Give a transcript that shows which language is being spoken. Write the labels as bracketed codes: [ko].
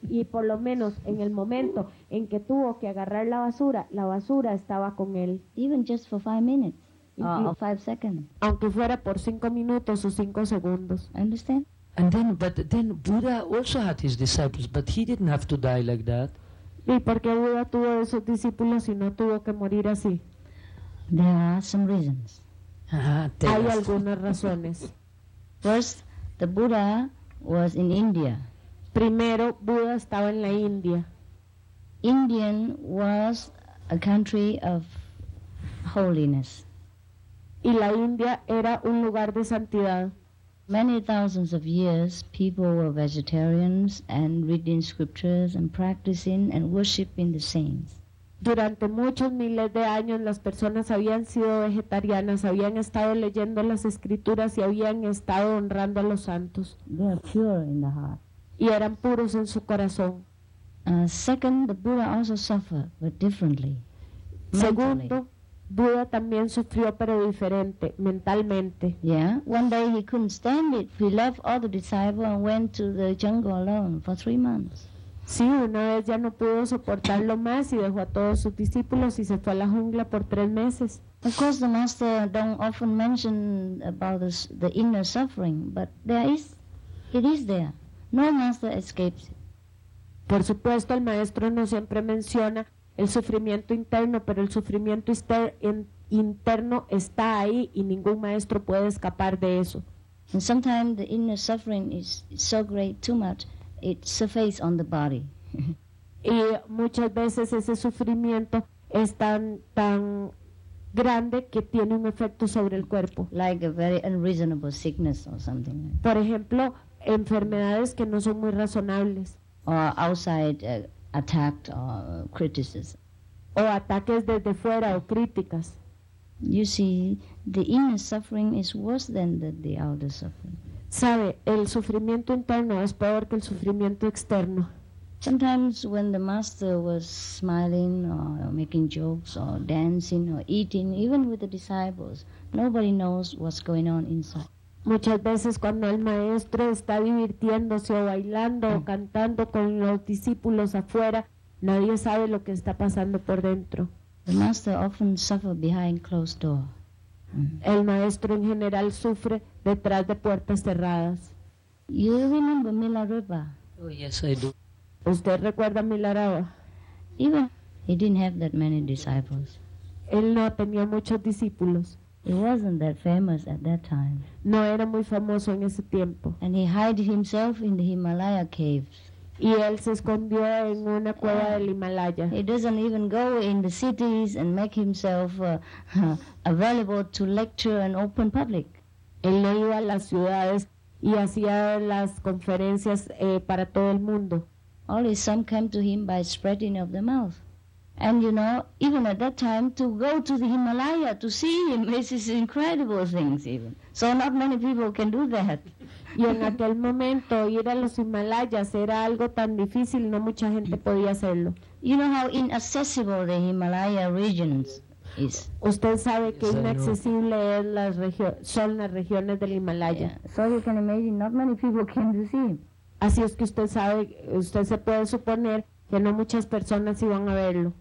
[es] Por lo menos en el momento en que tuvo que agarrar la basura estaba con él. [en] Even just for 5 minutes or 5 seconds. [es] Aunque fuera por 5 minutos o 5 segundos. [en] Understand? And then, but then Buddha also had his disciples, but he didn't have to die like that. [es] ¿Y por qué Buda tuvo esos discípulos y no tuvo que morir así? [en] There are some reasons. [es] Hay algunas razones. [en] First, the Buddha was in India. [es] Primero, Buda estaba en la India. [en] India was a country of holiness. [es] y la India era un lugar de santidad. [en] Many thousands of years, people were vegetarians and reading scriptures and practicing and worshiping the saints. [es] Durante muchos miles de años, las personas habían sido vegetarianas, habían estado leyendo las escrituras y habían estado honrando a los santos. [en] They are pure in the heart. [es] Y eran puros en su corazón. [en] Second, the Buddha also suffered, but differently. [es] Segundo, Buda también sufrió, pero diferente, mentalmente. [en] Yeah, one day he couldn't stand it. He left all the disciples and went to the jungle alone for 3 months. [es] Sí, una vez ya no pudo soportarlo más y dejó a todos sus discípulos y se fue a la jungla por 3 meses. [en] Of course, the master don't often mention about the inner suffering, but it is there. No master escapes it. [es] Por supuesto, el maestro no siempre menciona el sufrimiento interno, pero el sufrimiento interno está ahí y ningún maestro puede escapar de eso. [en] And sometimes the inner suffering is so great, too much, it surfaces on the body. [es] Y muchas veces ese sufrimiento es tan grande que tiene un efecto sobre el cuerpo. [en] Like a very unreasonable sickness or something. [es] Por ejemplo, enfermedades que no son muy razonables. [en] Or outside attacked or criticism. [es] O ataques desde fuera o críticas. [en] You see, the inner suffering is worse than the outer suffering. [es] Sabe, el sufrimiento interno es peor que el sufrimiento externo. [en] Sometimes when the master was smiling or making jokes or dancing or eating, even with the disciples, nobody knows what's going on inside. [es] Muchas veces cuando el maestro está divirtiéndose o bailando o cantando con los discípulos afuera, nadie sabe lo que está pasando por dentro. [en] The master often suffers behind closed doors. [es] El maestro en general sufre detrás de puertas cerradas. [en] You remember Milarepa? Oh, yes, I do. [es] ¿Usted recuerda a Milarepa? [en] Even he didn't have that many disciples. [es] Él no tenía muchos discípulos. [en] He wasn't that famous at that time. [es] No era muy famoso en ese tiempo. [en] And he hid himself in the Himalaya caves. [es] Y él se escondió en una cueva del Himalaya. [en] He doesn't even go in the cities and make himself available to lecture and open public. [es] Él no iba a las ciudades y hacía las conferencias para todo el mundo. [en] Only some came to him by spreading of the mouth. And you know, even at that time, to go to the Himalaya to see him, this is incredible things even. So not many people can do that. [es] Y en aquel momento, ir a los Himalayas era algo tan difícil, no mucha gente podía hacerlo. [en] You know how inaccessible the Himalaya regions is. [es] Usted sabe que inaccesible son las regiones del Himalaya. [en] So you can imagine, not many people came to see him. [es] Así es que usted sabe, usted se puede suponer que no muchas personas iban a verlo.